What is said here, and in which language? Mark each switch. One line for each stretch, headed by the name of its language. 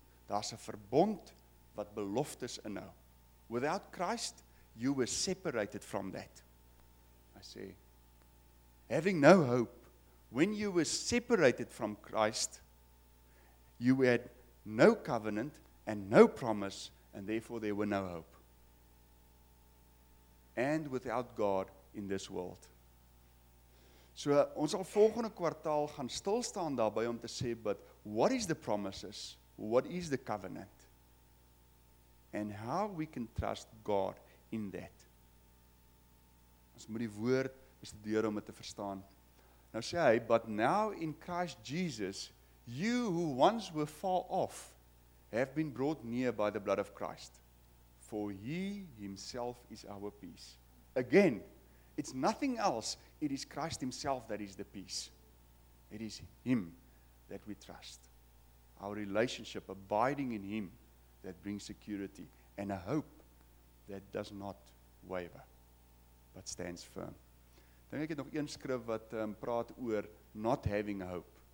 Afrikaans: Daar's 'n verbond wat beloftes inhou.
English: Without Christ, you were separated from that. I say, having no hope, when you were separated from Christ, you had no covenant and no promise, and therefore there were no hope. And without God in this world. So,
Afrikaans: ons sal volgende kwartaal gaan stilstaan daarby om te sê,
English: but what is the promises? What is the covenant? And how we can trust God in that.
Afrikaans: Ons moet die woord bestudeer om dit te verstaan. Nou sê hy,
English: but now in Christ Jesus, you who once were far off, have been brought near by the blood of Christ. For he himself is our peace. Again, it's nothing else. It is Christ himself that is the peace. It is him that we trust. Our relationship, abiding in him, that brings security and a hope that does not waver, but stands firm.
Afrikaans: Dink ek het nog een skrif wat praat oor
English: not having hope.